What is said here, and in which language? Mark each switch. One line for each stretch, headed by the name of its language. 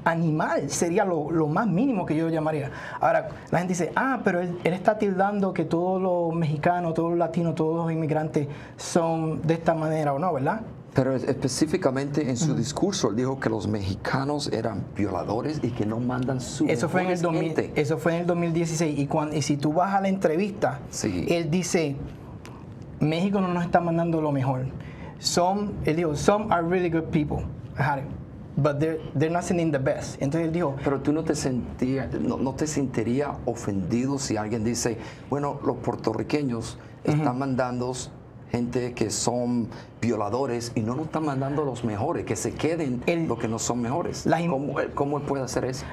Spanish: Animal sería lo más mínimo que yo llamaría. Ahora, la gente dice, pero él está tildando que todos los mexicanos, todos los latinos, todos los inmigrantes son de esta manera o no, ¿verdad? Pero específicamente en su discurso, él dijo que los mexicanos eran violadores y que no mandan su eso fue en el 2000, gente. Eso fue en el 2016. Y si tú vas a la entrevista, él dice, México no nos está mandando lo mejor.
English: Some are really good people. Jare. But they're not sending the best.
Spanish: Entonces él dijo. Pero tú no te sentirías ofendido si alguien dice, los puertorriqueños están mandando gente que son violadores y no nos están mandando los mejores, que se queden los que no son mejores. ¿Cómo él puede hacer eso?